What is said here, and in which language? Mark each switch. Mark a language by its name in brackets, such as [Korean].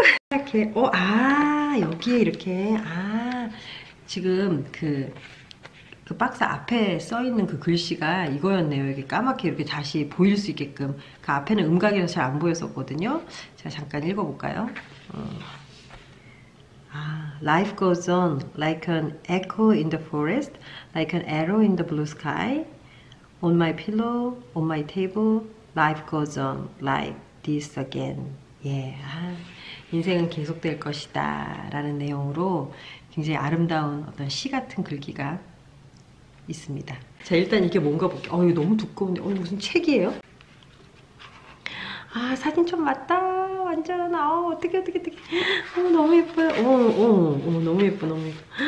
[Korean] 이렇게, 여기에 이렇게, 지금 그 박스 앞에 써 있는 그 글씨가 이거였네요. 이렇게 까맣게 이렇게 다시 보일 수 있게끔. 그 앞에는 음각이라서 잘안 보였었거든요. 제가 잠깐 읽어볼까요? [English] Life goes on like an echo in the forest, like an arrow in the blue sky. On my pillow, on my table, life goes on like this again. [Korean] 예, 인생은 계속될 것이다 라는 내용으로 굉장히 아름다운 어떤 시 같은 글귀가 있습니다. 자, 일단 이게 뭔가 볼게요. 이거 너무 두꺼운데. 무슨 책이에요? 사진첩 맞다. 완전. 어떡해. 너무 예뻐요. 너무 예뻐, 너무 예뻐.